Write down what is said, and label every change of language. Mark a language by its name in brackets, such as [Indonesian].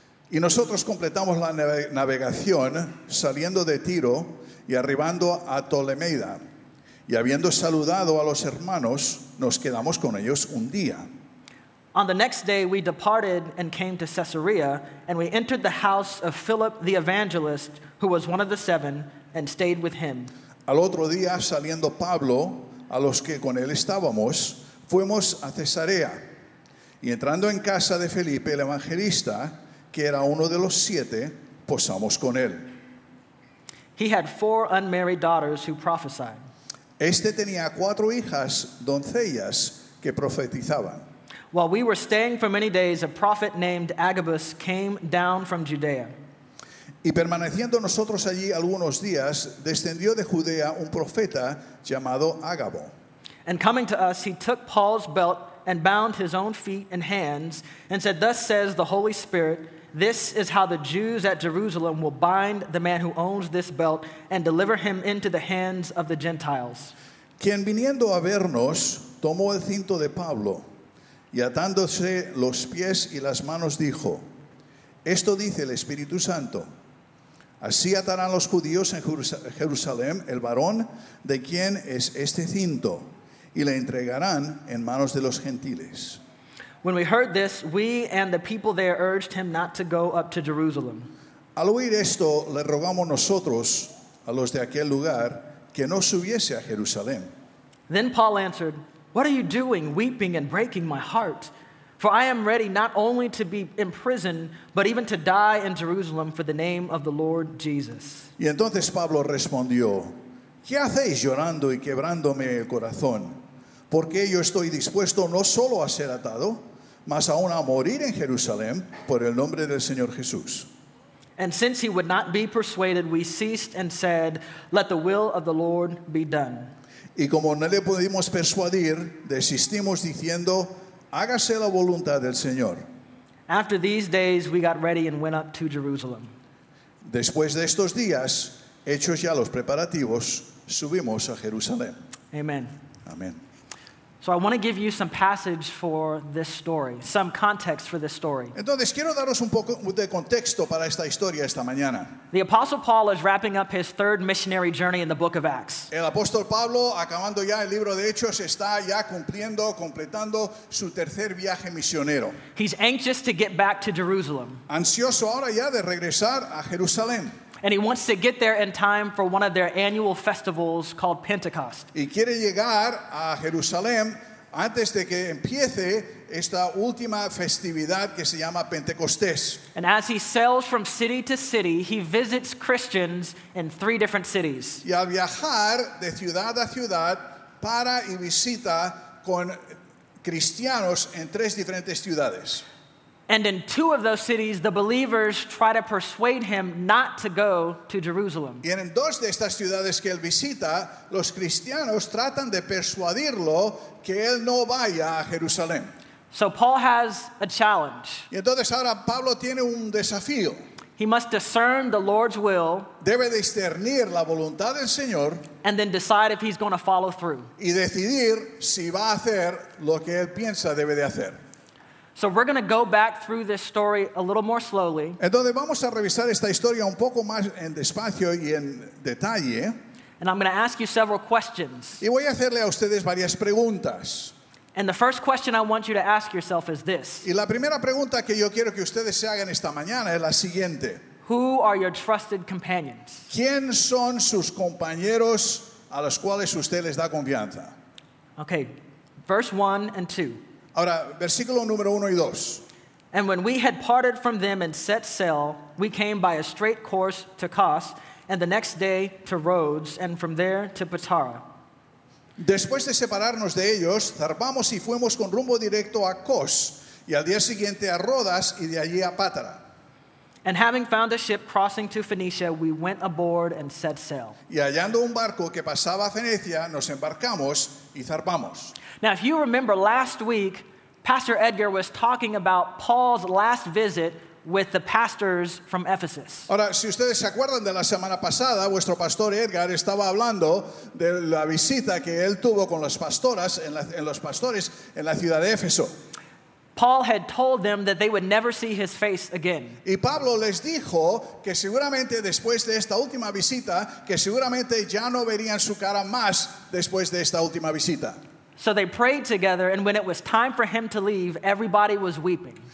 [Spanish] Y nosotros completamos la navegación saliendo de Tiro y arribando a Ptolemaida. Y habiendo saludado a los hermanos, nos quedamos con ellos un día. [English] On the next day, we departed and came to Caesarea, and we entered the house of Philip the evangelist, who was one of the seven, and stayed with him. [Spanish] Al otro día, saliendo Pablo, a los que con él estábamos, fuimos a Cesarea, y entrando en casa de Felipe el evangelista, que era uno de los siete, posamos con él. [English] He had four unmarried daughters who prophesied. [Spanish] Este tenía cuatro hijas, doncellas, que profetizaban. [English] While we were staying for many days, a prophet named Agabus came down from Judea. [Spanish] Y permaneciendo nosotros allí algunos días, descendió de Judea un profeta llamado Ágabo. [English] And coming to us, he took Paul's belt and bound his own feet and hands and said, "Thus says the Holy Spirit, this is how the Jews at Jerusalem will bind the man who owns this belt and deliver him into the hands of the Gentiles." [Spanish] Quien viniendo a vernos, tomó el cinto de Pablo y atándose los pies y las manos dijo, "Esto dice el Espíritu Santo, así atarán los judíos en Jerusalén el varón de quien es este cinto, y le entregarán en manos de los gentiles." [English] When we heard this, we and the people there urged him not to go up to Jerusalem. [Spanish] Al oír esto, le rogamos nosotros a los de aquel lugar que no subiese a Jerusalén. [English] Then Paul answered, "What are you doing, weeping and breaking my heart? For I am ready not only to be imprisoned, but even to die in Jerusalem for the name of the Lord Jesus." [Spanish] Y entonces Pablo respondió, "¿Qué hacéis llorando y quebrándome el corazón? Porque yo estoy dispuesto no solo a ser atado, mas aún a morir en Jerusalén por el nombre del Señor Jesús." [English] And since he would not be persuaded, we ceased and said, "Let the will of the Lord be done." [Spanish] Y como no le pudimos persuadir, desistimos diciendo, "Hágase la voluntad del Señor." [English] After these days, we got ready and went up to Jerusalem. [Spanish] Después de estos días, hechos ya los preparativos, subimos a Jerusalén. Amen. Amen. [English] So I want to give you some passage for this story, some context for this story. [Spanish] Entonces quiero daros un poco de contexto para esta historia esta mañana. [English] The Apostle Paul is wrapping up his third missionary journey in the book of Acts. [Spanish] El apóstol Pablo, acabando ya el libro de Hechos, está ya completando su tercer viaje misionero. [English] He's anxious to get back to Jerusalem. [Spanish] Ansioso ahora ya de regresar a Jerusalén. [English] And he wants to get there in time for one of their annual festivals called Pentecost. [Spanish] Y quiere llegar a Jerusalén antes de que empiece esta última festividad que se llama Pentecostés. [English] And as he sails from city to city, he visits Christians in three different cities. [Spanish] Y al viajar de ciudad a ciudad, para y visita con cristianos en tres diferentes ciudades. [English] And in two of those cities, the believers try to persuade him not to go to Jerusalem. [Spanish] Y en dos de estas ciudades que él visita, los cristianos tratan de persuadirlo que él no vaya a Jerusalén. [English] So Paul has a challenge. [Spanish] Y entonces ahora Pablo tiene un desafío. [English] He must discern the Lord's will. [Spanish] Debe discernir la voluntad del Señor. [English] And then decide if he's going to follow through. [Spanish] Y decidir si va a hacer lo que él piensa debe de hacer. [English] So we're going to go back through this story a little more slowly. [Spanish] Entonces vamos a revisar esta historia un poco más en despacio y en detalle. [English] And I'm going to ask you several questions. [Spanish] Y voy a hacerle a ustedes varias preguntas. [English] And the first question I want you to ask yourself is this. [Spanish] Y la primera pregunta que yo quiero que ustedes se hagan esta mañana es la siguiente. [English] Who are your trusted companions? [Spanish] ¿Quién son sus compañeros a los cuales usted les da confianza? [English] Okay, verse 1 and 2. [Spanish] Ahora, versículo número 1 y 2. [English] And when we had parted from them and set sail, we came by a straight course to Kos, and the next day to Rhodes, and from there to Patara. [Spanish] Después de separarnos de ellos, zarpamos y fuimos con rumbo directo a Kos, y al día siguiente a Rodas, y de allí a Patara. [English] And having found a ship crossing to Phoenicia, we went aboard and set sail. [Spanish] Y hallando un barco que pasaba a Fenicia, nos embarcamos y zarpamos. [English] Now, if you remember last week, Pastor Edgar was talking about Paul's last visit with the pastors from Ephesus. [Spanish] Ahora, si ustedes se acuerdan de la semana pasada, vuestro pastor Edgar estaba hablando de la visita que él tuvo con las pastoras en los pastores en la ciudad de Éfeso. [English] Paul had told them that they would never see his face again. [Spanish] Y Pablo les dijo que seguramente después de esta última visita, que seguramente ya no verían su cara más después de esta última visita. [English] So they prayed together, and when it was time for him to leave, everybody was weeping.